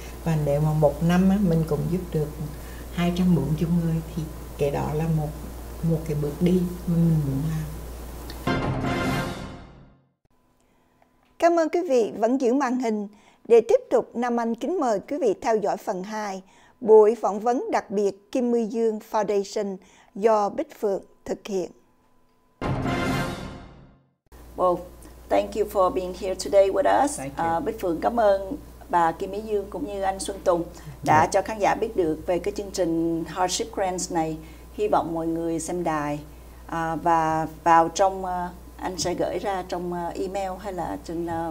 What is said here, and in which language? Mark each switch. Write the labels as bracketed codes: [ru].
[vi] Và nếu mà một năm á, mình cũng giúp được 240 người thì cái đó là một cái bước đi mình muốn làm. Cảm ơn quý vị vẫn giữ màn hình. Để tiếp tục, Nam Anh kính mời quý vị theo dõi phần 2 buổi phỏng vấn đặc biệt Kim My Dương Foundation do Bích Phượng thực hiện. [en] Well, thank you for being here today with us. [vi] Bích Phượng cảm ơn bà Kim Mỹ Dương cũng như anh Xuân Tùng đã cho khán giả biết được về cái chương trình Hardship Grants này. Hy vọng mọi người xem đài và vào trong, anh sẽ gửi ra trong email hay là trên...